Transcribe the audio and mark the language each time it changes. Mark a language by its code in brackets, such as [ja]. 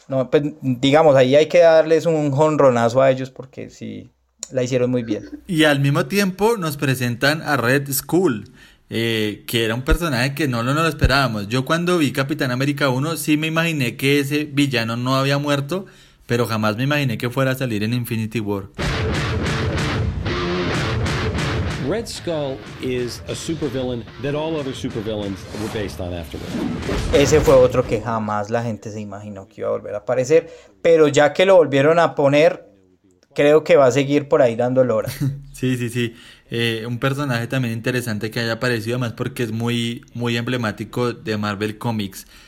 [es] Pues, digamos, ahí hay que darles un jonronazo a ellos porque sí la hicieron muy bien. Y al mismo tiempo nos presentan a Red Skull, que era un personaje que no lo esperábamos. Yo cuando vi Capitán América 1 sí me imaginé que ese villano no había muerto, pero jamás me imaginé que fuera a salir en Infinity War. [en] Red Skull is a supervillain that all other supervillains were based on afterwards. [es] Ese fue otro que jamás la gente se imaginó que iba a volver a aparecer, pero ya que lo volvieron a poner, creo que va a seguir por ahí dando lora. Sí. Un personaje también interesante que haya aparecido, además porque es muy, muy emblemático de Marvel Comics.